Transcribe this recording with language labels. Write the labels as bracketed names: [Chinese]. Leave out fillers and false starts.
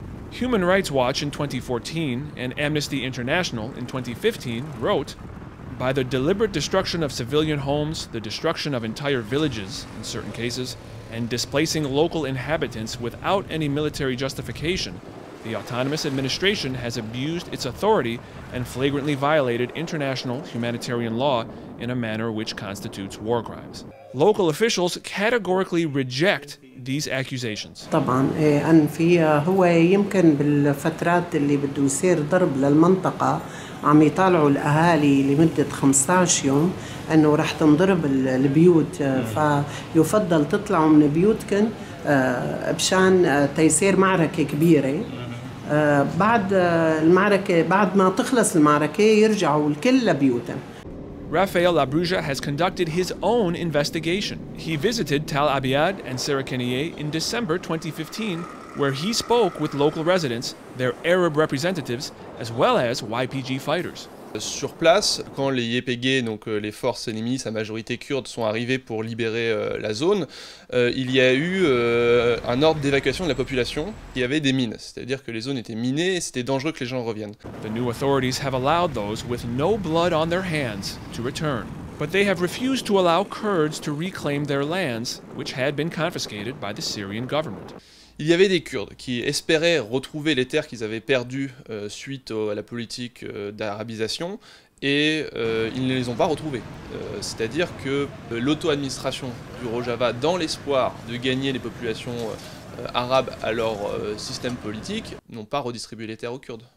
[English] Human Rights Watch in 2014 and Amnesty International in 2015 wrote, "By the deliberate destruction of civilian homes, the destruction of entire villages in certain cases, and displacing local inhabitants without any military justification, the autonomous administration has abused its authority and flagrantly violated international humanitarian law in a manner which constitutes war crimes." Local officials categorically reject these accusations. [Arabic] طبعاً أن في هو يمكن بالفترات اللي بده يصير ضرب للمنطقة عم يطالعوا الأهالي لمدة 15 يوم أنه راح تنضرب البيوت فيفضل تطلعوا من بيوتكن بشان تيصير معركة كبيرة. [English] Rafael Labruja has conducted his own investigation. He visited Tal Abyad and Serekaniye in December 2015, where he spoke with local residents, their Arab representatives, as well as YPG fighters. [French] Sur place, quand les YPG, donc les forces ennemies, sa majorité kurde, sont arrivées pour libérer la zone, il y a eu un ordre d'évacuation de la population. Il y avait des mines, c'est-à-dire que les zones étaient minées et c'était dangereux que les gens reviennent. [English] The new authorities have allowed those with no blood on their hands to return. But they have refused to allow Kurds to reclaim their lands, which had been confiscated by the Syrian government. [French] Il y avait des Kurdes qui espéraient retrouver les terres qu'ils avaient perdues suite à la politique d'arabisation et ils ne les ont pas retrouvées. C'est-à-dire que l'auto-administration du Rojava, dans l'espoir de gagner les populations arabes à leur système politique, n'ont pas redistribué les terres aux Kurdes.